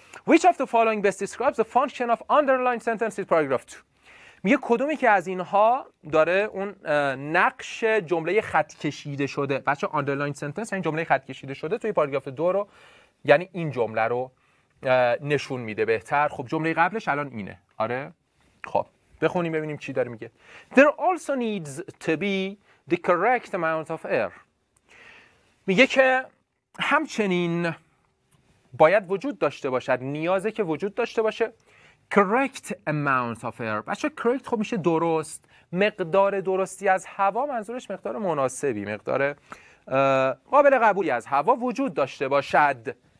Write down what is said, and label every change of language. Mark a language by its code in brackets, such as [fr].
[en] Which of the following best describes the function of underlined sentences paragraph 2، [fa] میگه کدوم یکی از اینها داره اون نقش جمله خط کشیده شده، بچه [en] underlined sentence [fa] یعنی جمله خط کشیده شده، توی پاراگراف 2 رو، یعنی این جمله رو نشون میده بهتر. خب جمله قبلش الان اینه، آره خب بخونیم ببینیم چی داره میگه. [en] There also needs to be the correct amount of air. [fa] میگه که همچنین باید وجود داشته باشد، نیازه که وجود داشته باشه [en] correct amount of air. [fa] بچه correct خب میشه درست، مقدار درستی از هوا، منظورش مقدار مناسبی، مقدار قابل قبولی از هوا وجود داشته باشد.